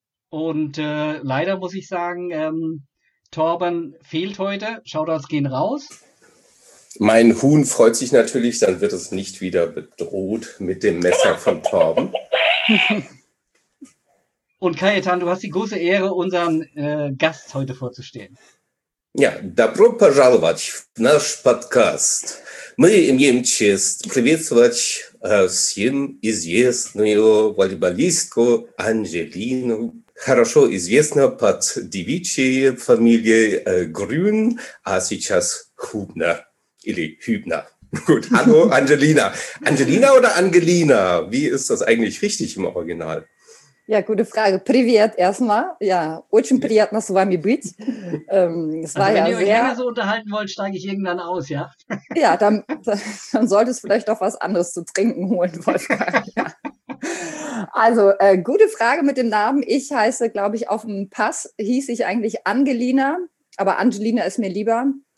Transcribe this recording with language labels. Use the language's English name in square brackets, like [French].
[German] Und leider muss ich sagen, Torben fehlt heute. Shoutouts gehen raus. Mein Huhn freut sich natürlich, dann wird es nicht wieder bedroht mit dem Messer von Torben. Und Kajetan, du hast die große Ehre, unseren Gast heute vorzustellen. [Russian] Ja, добро пожаловать в наш подкаст. Мы имеем честь приветствовать всем известную волейболистку Анжелину, хорошо известную под девичьей фамилией Грюн, а сейчас Хубнер или Хübner. [German] Gut, hallo Angelina. Angelina oder Angelina? Wie ist das eigentlich richtig im Original? Ja, gute Frage. [Russian] Privet [German] erstmal. [Russian] Ja, очень приятно с вами быть. [German] Es war also, wenn ja ihr euch länger so unterhalten wollt, steige ich irgendwann aus, ja? Ja, dann solltest du vielleicht auch was anderes zu trinken holen, Wolfgang. Ja. Also, gute Frage mit dem Namen. Ich heiße, glaube ich, auf dem Pass hieß ich eigentlich Angelina, aber Angelina ist mir lieber.